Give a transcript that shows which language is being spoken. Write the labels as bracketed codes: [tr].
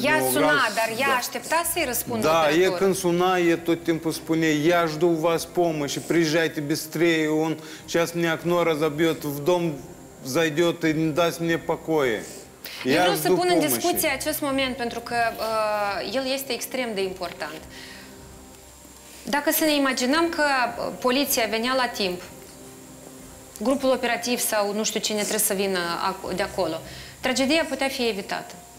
[ro] ea din suna, ograd, dar ea aștepta să-i răspundă. Da, e când suna, e tot timpul spune, [ru] ia жду вас помощи, приезжайте быстрее, он сейчас мне окно разобьет, в дом зайдет и не даст мне покоя. [ro] Eu vreau să pun în discuție acest moment, pentru că el este extrem de important. Dacă să ne imaginăm că poliția venea la timp, grupul operativ sau nu știu cine trebuie să vină de acolo, tragedia putea fi evitată.